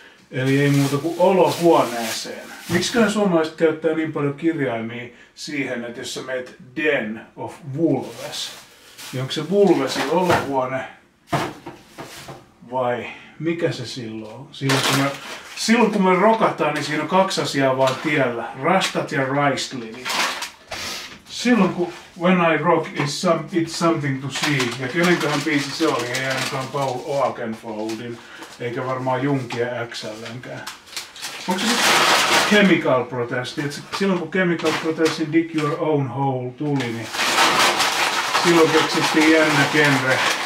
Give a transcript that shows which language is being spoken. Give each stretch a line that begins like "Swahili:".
Finnish: Eli ei muuta kuin olohuoneeseen. Miksiköhän suomalaiset käyttää niin paljon kirjaimia siihen, että jos sä meet
English: den of wolves,
Finnish: niin onko se wolvesi olohuone vai mikä se silloin on? Silloin kun me rokataan, niin siinä on kaksi asiaa vaan tiellä. Rastat ja raistlinit. Silloin kun
English: when I rock is it's something to see.
Finnish: Ja kenenköhän biisi se oli? Ei ainakaan Paul Oakenfoldin. Eikä varmaan Junkia XL:nkään. Onko se Chemical Protest? Silloin kun Chemical Protestin Dig Your Own Hole tuli, niin silloin keksittiin jännä genre.